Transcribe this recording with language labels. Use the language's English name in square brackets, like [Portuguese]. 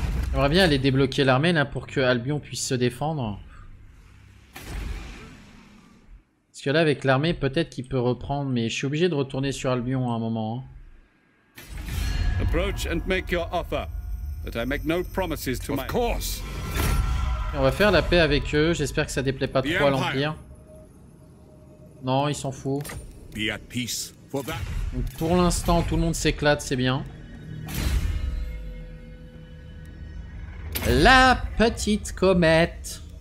[French] J'aimerais bien aller débloquer l'armée là pour que Albion puisse se défendre. Parce que là avec l'armée peut-être qu'il peut reprendre, mais je suis obligé de retourner sur Albion à un moment. Hein. [English] Approach and make your offer, but I make no promises to my... Of course. [French] On va faire la paix avec eux, j'espère que ça déplaît pas trop à l'Empire. Non, il s'en fout. [English] Be at peace. [French] Donc pour l'instant, tout le monde s'éclate, c'est bien. La petite comète.